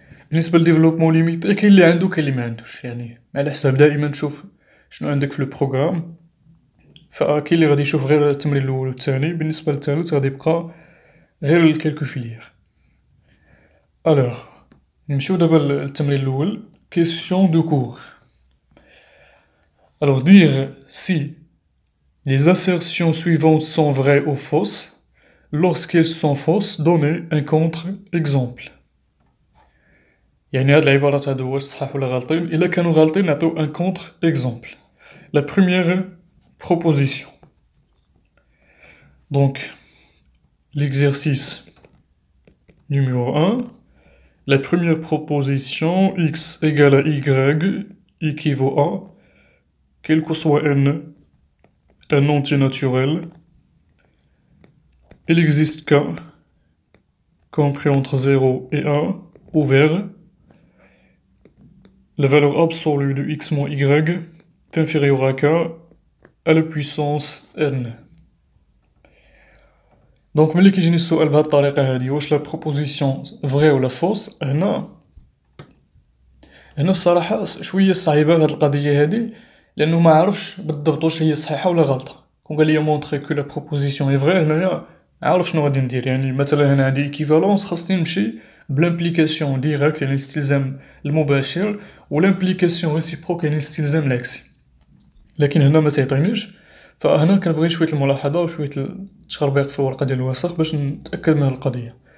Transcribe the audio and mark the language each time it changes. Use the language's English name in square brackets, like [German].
[Arabic] بالنسبه للديفلوبمون ليميت كاين اللي عنده كاين اللي ما عندوش، يعني على حسب دائما تشوف شنو عندك في لو بروغرام. فكاين اللي غادي يشوف غير التمرين الاول والثاني، بالنسبه للثالث غادي يبقى غير الكالكو فيليير. الوغ نمشيو دابا للتمرين الاول، كيسيون دو كور. الوغ دير سي [French] Les assertions suivantes sont vraies ou fausses. Lorsqu'elles sont fausses, donnez un contre-exemple. [Arabic] يعني هاد العبارة هادو واش صحاح ولا غالطين؟ إلا كانوا غالطين نعطيو ان contre-exemple. [French] La première proposition. Donc, l'exercice numéro 1. La première proposition, x égale à y, équivaut à, quel que soit n, un entier naturel, il existe K, compris entre 0 et 1, ouvert, la valeur absolue de x moins y est inférieure à K à la puissance n. [Arabic] Donc, ملي كيجيني السؤال بهذه الطريقة هذه، واش [French] la proposition vraie ou la fausse؟ [Arabic] هنا الصراحة شوية صعيبة هذه القضية هذه، لأنه ما عارفش بالضبط واش هي صحيحة ولا غلطة. [French] On va lui montrer que la proposition est vraie. Là, alors je vais dire, [Arabic] يعني مثلا هنا عندي equivalence خاص نمشي بالimplication directe يعني استلزام المباشر والimplication réciproque يعني استلزام العكسي. لكن هنا ما تعطينيش، فهنا كنبغي شويه الملاحظه وشويه التخربيق في الورقه ديال الوسخ باش نتاكد من القضيه.